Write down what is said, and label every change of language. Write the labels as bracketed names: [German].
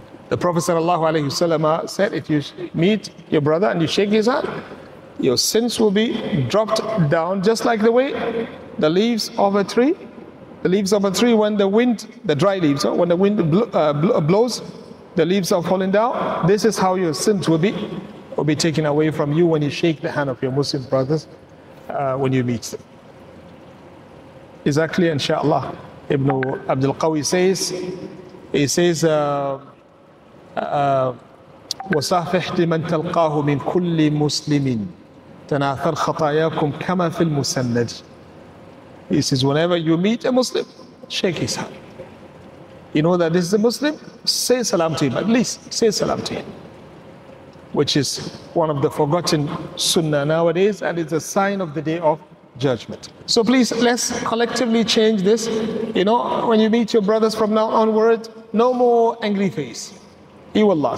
[English] The Prophet sallallahu alaihi wasallam said, if you meet your brother and you shake his hand, your sins will be dropped down, just like the way the leaves of a tree, when the wind, the dry leaves, when the wind blows, the leaves are falling down. This is how your sins will be taken away from you when you shake the hand of your Muslim brothers when you meet them. Exactly, inshallah. Ibn Abdul Qawi says, [Arabic] وصافح لمن تلقاه من كل مسلم تناثر خطاياكم كما في المسند. [English] He says, whenever you meet a Muslim, shake his hand. You know that this is a Muslim? Say salam to him, at least say salam to him. Which is one of the forgotten sunnah nowadays, and it's a sign of the day of judgment. So please, let's collectively change this. You know, when you meet your brothers from now onward, no more angry face. Iwallah.